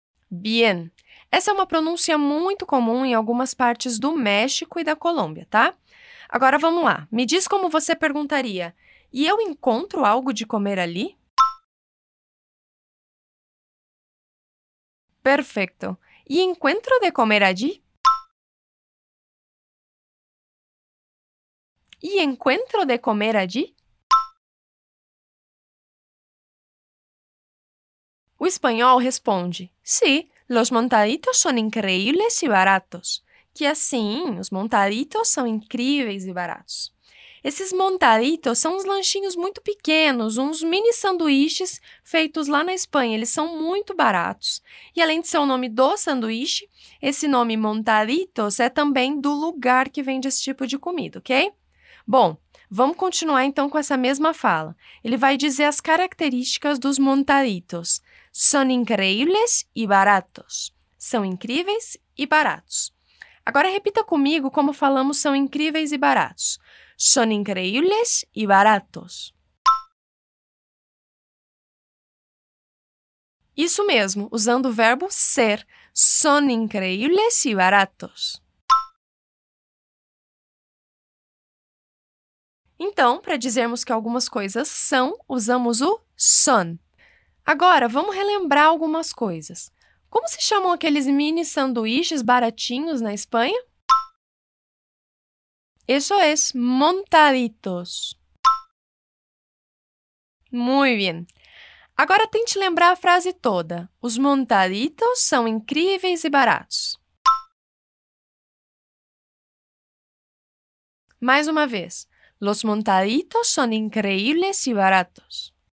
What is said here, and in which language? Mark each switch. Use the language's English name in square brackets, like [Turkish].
[Portuguese] Bien. Essa é uma pronúncia muito comum em algumas partes do México e da Colômbia, tá? Agora vamos lá. Me diz como você perguntaria: e eu encontro algo de comer ali? Perfeito. [Spanish] E encuentro de comer allí? E encuentro de comer allí? [Portuguese] O espanhol responde: [Spanish] sí, los montaditos son increíbles y baratos. [Portuguese] Que assim, os montaditos são incríveis e baratos. Esses montaditos são uns lanchinhos muito pequenos, uns mini sanduíches feitos lá na Espanha. Eles são muito baratos. E além de ser o nome do sanduíche, esse nome montaditos é também do lugar que vende esse tipo de comida, ok? Bom, vamos continuar então com essa mesma fala. Ele vai dizer as características dos montaditos. [Spanish] Son increíbles y baratos. [Portuguese] São incríveis e baratos. Agora repita comigo como falamos são incríveis e baratos. [Spanish] Son increíbles y baratos. [Portuguese] Isso mesmo, usando o verbo ser. [Spanish] Son increíbles y baratos. [Portuguese] Então, para dizermos que algumas coisas são, usamos o son. Agora, vamos relembrar algumas coisas. Como se chamam aqueles mini sanduíches baratinhos na Espanha? Isso é montaditos. Muito bem. Agora tente lembrar a frase toda. Os montaditos são incríveis e baratos. Mais uma vez. [Spanish] Los montaditos son increíbles y baratos.